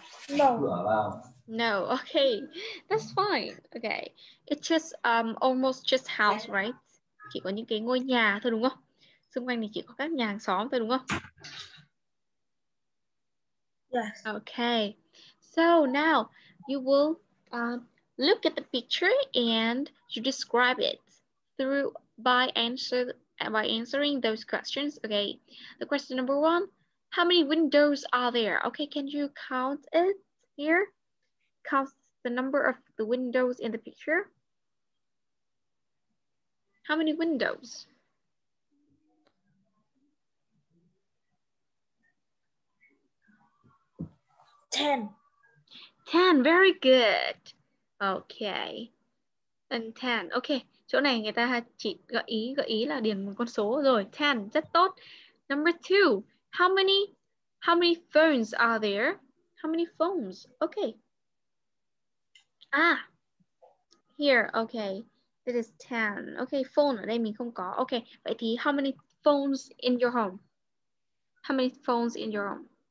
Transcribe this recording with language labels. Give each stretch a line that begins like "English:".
English: No. No. Okay. That's fine. Okay. It's just almost just house, right?
Vietnamese: Chỉ có những cái ngôi nhà thôi đúng không? Xung quanh thì chỉ có các nhà hàng xóm thôi đúng không?
English: Yes. Okay. So now you will look at the picture and you describe it through by answering those questions. Okay. The question number one, how many windows are there? Okay, can you count it here? Count the number of the windows in the picture. How many windows? Ten. Very good. Okay. And ten. Okay.
Vietnamese: Chỗ này người ta chỉ gợi ý là điền một con số rồi.
English: Ten.
Vietnamese: Rất tốt.
English: Number two. How many phones are there? How many phones? Okay. Ah. Here. Okay. It is ten. Okay.
Vietnamese: Phone ở đây mình không có.
English: Okay.
Vietnamese: Vậy thì
English: how many phones in your home? How many phones in your home?